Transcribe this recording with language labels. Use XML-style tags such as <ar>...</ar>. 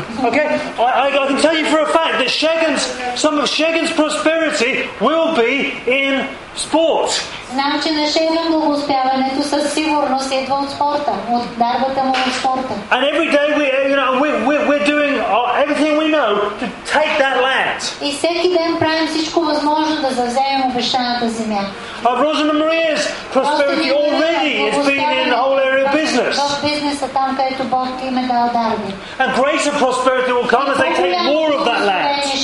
<en>Okay, I can tell you for a fact that some of Shagan's prosperity will be in sport.</en> <bg>Знам, че на Шеган благоуспяването със сигурност идва от спорта, от дарбата му от спорта.</bg> <en>And every day we're doing everything we know to take that land.</en> <bg>И всеки ден правим всичко възможно да завземем обещаната земя.</bg> <en>Of Rosanna Maria's prosperity already has been in the whole area of business. And greater prosperity will come as they take more of that land.</en>